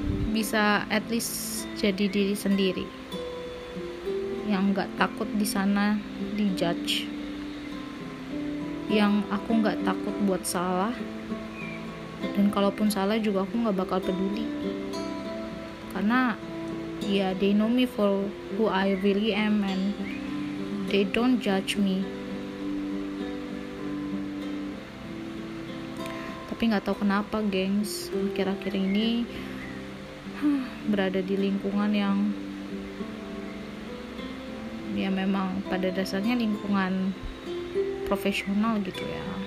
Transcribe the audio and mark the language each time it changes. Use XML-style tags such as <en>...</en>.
<id>Bisa</id> <en>at least</en> <id>jadi diri sendiri. Yang enggak takut di sana dijudge. Yang aku enggak takut buat salah. Dan kalaupun salah juga aku enggak bakal peduli.</id> <en>Karena yeah, they know me for who I really am and they don't judge me.</en> <id>Tapi enggak tahu kenapa, gengs, akhir-akhir ini berada di lingkungan yang ya memang pada dasarnya lingkungan profesional gitu ya.</id>